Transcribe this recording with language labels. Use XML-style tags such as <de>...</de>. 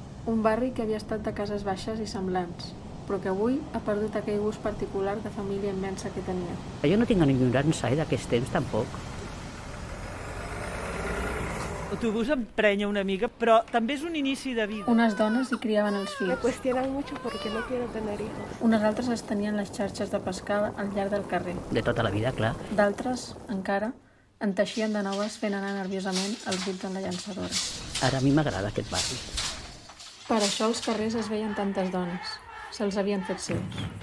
<ca>Un barri que havia estat de cases baixes i semblants, però que avui ha perdut aquell gust particular de família immensa que tenia. Jo no tinc enyorança d'aquest temps, tampoc. L'autobús emprenya una mica, però també és un inici de vida. Unes dones hi criaven els fills.</ca> <es>Me cuestionan mucho porque no quiero tener hijos.</es> <ca>Unes altres estenien les xarxes de pescada al llarg del carrer. De tota la vida, clar. D'altres, encara, en teixien de noves fent anar nerviosament els dits en la llançadora. Ara a mi m'agrada aquest barri. Per això als carrers es veien tantes dones. Se'ls havien fet seus.</ca>